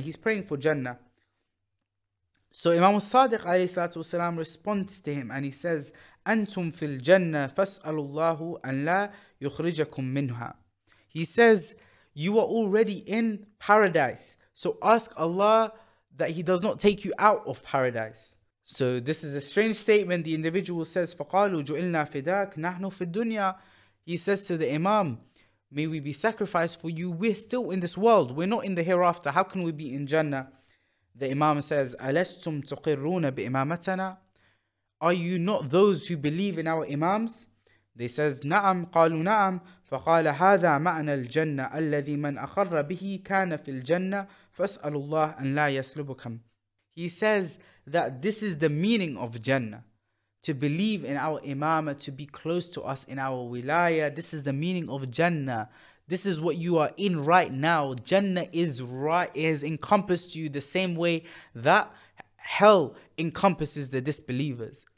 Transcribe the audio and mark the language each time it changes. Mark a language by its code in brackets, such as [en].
[en] He's praying for Jannah. So Imam Sadiq alayhi salatu wasalam responds to him and he says, [ar] Antum fil jannah, fas'alullahu an la yukhrijakum minha. [en] He says, you are already in paradise, so ask Allah that He does not take you out of paradise. So this is a strange statement. The individual says, [ar] فَقَالُوا جُعِلْنَا فِدَاكَ نَحْنُ فِي الدُّنْيَا. [en] He says to the Imam, may we be sacrificed for you. We're still in this world. We're not in the hereafter. How can we be in Jannah? The Imam says, [ar] أَلَسْتُمْ تُقِرُّونَ بِإِمَامَتَنَا. [en] Are you not those who believe in our Imams? They says, [ar] نعم قالوا نعم فقال هذا معنى الجنة الذي من أقر به كان في الجنة فاسأل الله أن لا يسلبكم. [en] He says that this is the meaning of Jannah. To believe in our Imam, to be close to us in our wilayah, this is the meaning of Jannah. This is what you are in right now. Jannah is right, is encompassed you the same way that hell encompasses the disbelievers.